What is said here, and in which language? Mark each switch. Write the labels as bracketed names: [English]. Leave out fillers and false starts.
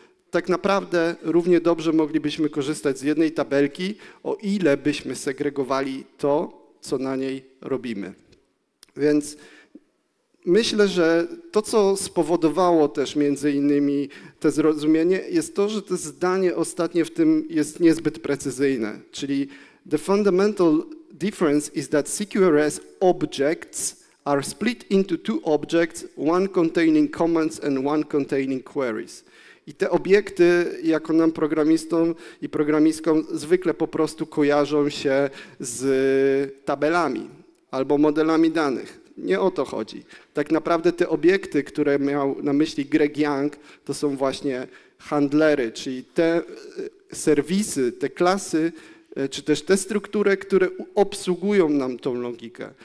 [Polish] Tak naprawdę równie dobrze moglibyśmy korzystać z jednej tabelki, o ile byśmy segregowali to, co na niej robimy. Więc myślę, że to, co spowodowało też między innymi to zrozumienie, jest to, że to zdanie ostatnie w tym jest niezbyt precyzyjne. [English] Czyli the fundamental difference is that CQRS objects are split into two objects, one containing comments and one containing queries. [Polish] I te obiekty, jako nam programistom i programistkom, zwykle po prostu kojarzą się z tabelami albo modelami danych. Nie o to chodzi. Tak naprawdę te obiekty, które miał na myśli Greg Young, to są właśnie handlery, czyli te serwisy, te klasy, czy też te struktury, które obsługują nam tą logikę.